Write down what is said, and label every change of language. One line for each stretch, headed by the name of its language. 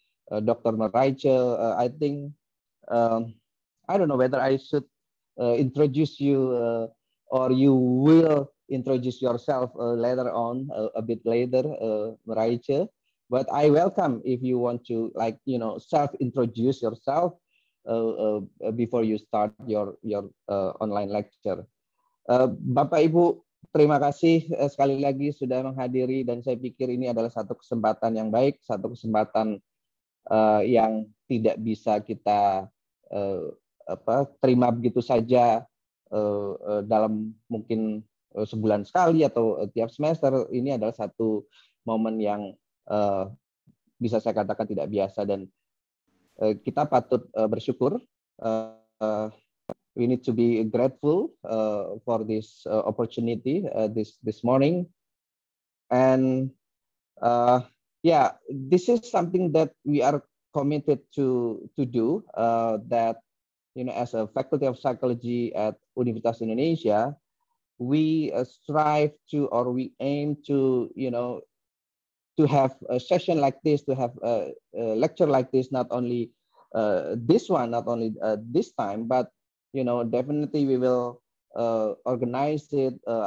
English: Marijtje. I think, I don't know whether I should introduce you or you will introduce yourself later on, a bit later, Marijtje. But I welcome if you want to, like, you know, self-introduce yourself before you start your online lecture.
Indonesian: Bapak Ibu, terima kasih sekali lagi sudah menghadiri, dan saya pikir ini adalah satu kesempatan yang baik, satu kesempatan yang tidak bisa kita terima begitu saja dalam mungkin sebulan sekali atau tiap semester. Ini adalah satu momen yang bisa saya katakan tidak biasa, dan kita patut bersyukur.
English: We need to be grateful for this opportunity this morning. And yeah, this is something that we are committed to do, that, you know, as a Faculty of Psychology at Universitas Indonesia, we strive to, or we aim to, you know, to have a session like this, to have a lecture like this, not only this one, not only this time, but, you know, definitely we will organize it.